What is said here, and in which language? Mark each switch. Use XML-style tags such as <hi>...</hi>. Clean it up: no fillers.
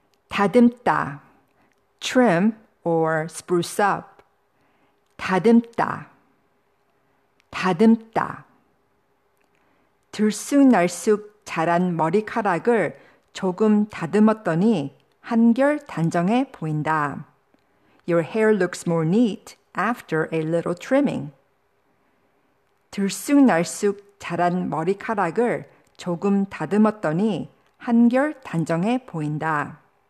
<ko>다듬다.</ko> <en>Trim or spruce up.</en> <ko>다듬다. 다듬다. 들쑥날쑥 자란 머리카락을 조금 다듬었더니 한결 단정해 보인다.</ko> <en>Your hair looks more neat after a little trimming.</en> <ko>들쑥날쑥 자란 머리카락을 조금 다듬었더니 한결 단정해 보인다.</ko>